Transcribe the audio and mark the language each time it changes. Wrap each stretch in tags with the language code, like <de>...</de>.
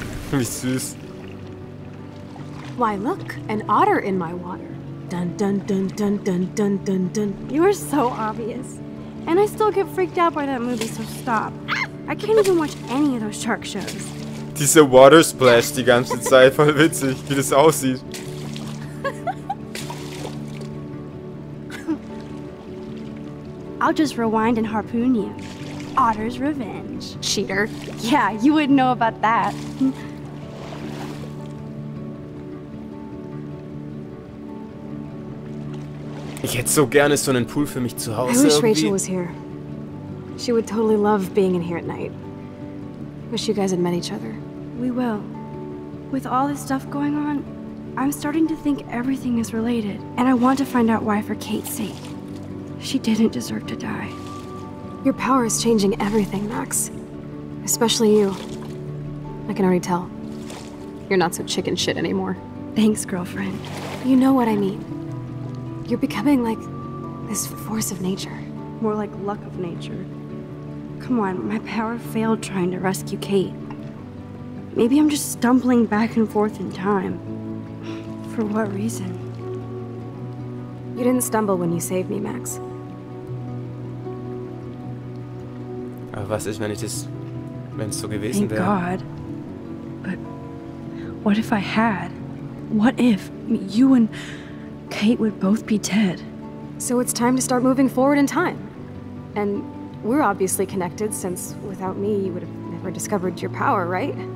<de>Wie süß.</de> <en>Why, look, an otter in my water. Dun dun dun dun dun dun dun dun. You are so obvious. And I still get freaked out by that movie, so stop. I can't even watch any of those shark shows.</en> <de>Diese Water Splash die ganze Zeit, voll witzig, wie das aussieht.</de> <en>I'll just rewind and harpoon you. Otter's revenge. Cheater. Yeah, you wouldn't know about that.</en> <de>Ich hätte so gerne so einen Pool für mich zu Hause.</de> <en>I wish</en> <de>irgendwie.</de> <en>Rachel was here. She would totally love being in here at night. Wish you guys had met each other. We will. With all this stuff going on, I'm starting to think everything is related. And I want to find out why for Kate's sake. She didn't deserve to die. Your power is changing everything, Max. Especially you. I can already tell. You're not so chicken shit anymore. Thanks, girlfriend. You know what I mean. You're becoming like this force of nature. More like luck of nature. Come on, my power failed trying to rescue Kate. Maybe I'm just stumbling back and forth in time. For what reason? You didn't stumble when you saved me, Max.</en> <de>Aber was ist, wenn ich das, wenn's so gewesen</de> <en>Thank</en> <de>wäre?</de> <en>God. But what if I had? What if you and Kate would both be dead? So it's time to start moving forward in time. And we're obviously connected, since without me, you would have never discovered your power, right?</en>